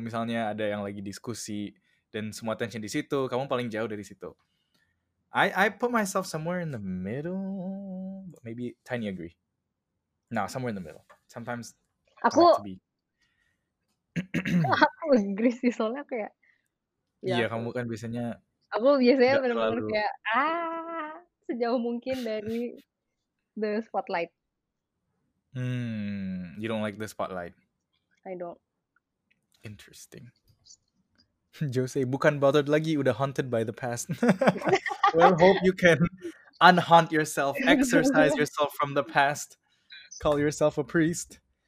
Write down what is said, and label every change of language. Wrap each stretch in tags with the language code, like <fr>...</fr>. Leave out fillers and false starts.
<id>Misalnya ada yang lagi diskusi dan semua attention di situ, kamu paling jauh dari situ.</id> <en>I put myself somewhere in the middle, but maybe tiny agree. No, somewhere in the middle. Sometimes</en> <id>aku aku agree sih, soalnya aku ya. Iya, aku, kamu kan biasanya. Aku biasanya benar-benar kayak sejauh mungkin dari the spotlight.</id> <en>You don't like the spotlight. I don't. Interesting. Jose, bukan bothered lagi, udah haunted by the past. Well, hope you can unhaunt yourself, exercise yourself from the past, call yourself a priest.</en>